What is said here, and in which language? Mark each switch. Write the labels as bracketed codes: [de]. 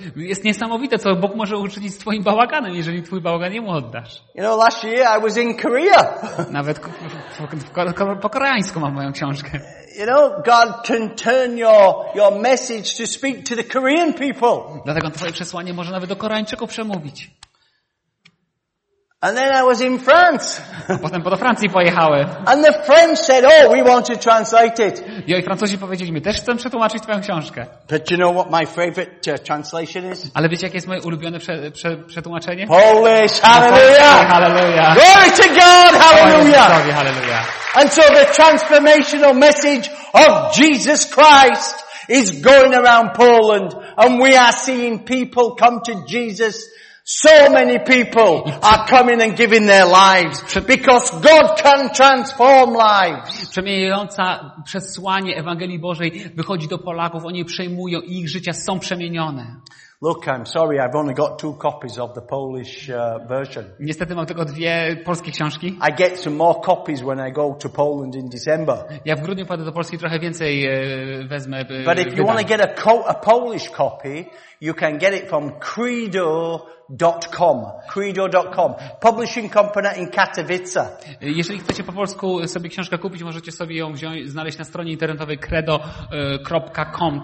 [pl] Jest niesamowite, co Bóg może uczynić z twoim bałaganem, jeżeli twój bałagan Jemu oddasz. [en] You know, last year I was in Korea. [pl] Nawet po koreańsku mam moją książkę. [en] You know, God can turn your message to speak to the Korean people. [pl] Dlatego twoje przesłanie może nawet do Koreańczyków przemówić. [en] And then I was in France. [pl] A potem do Francji pojechałem. [en] And the French said, "Oh, we want to translate it." [pl] I Francuzi powiedzieli mi, też chcę przetłumaczyć twoją książkę. [en] But you know what my favorite translation is? [pl] Ale wiecie, jakie jest moje ulubione przetłumaczenie? [en] Polish, hallelujah! Hallelujah! Glory to God, hallelujah! Glory, hallelujah! And so the transformational message of Jesus Christ is going around Poland, and we are seeing people come to Jesus. So many people are coming and giving their lives because God can transform lives. [pl] Przemieniająca przesłanie Ewangelii Bożej wychodzi do Polaków, oni przejmują i ich życia są przemienione. [en] Look, I'm sorry, I've only got two copies of the Polish version. [pl] Niestety mam tylko dwie polskie książki. [en] I get some more copies when I go to Poland in December. [pl] Ja w grudniu pójdę do Polski, trochę więcej wezmę. [en] But if you want to get a Polish copy, you can get it from credo.com. Credo.com. Publishing company in Katowice. [pl] Jeżeli chcecie po polsku sobie książkę kupić, możecie sobie ją znaleźć na stronie internetowej credo.com.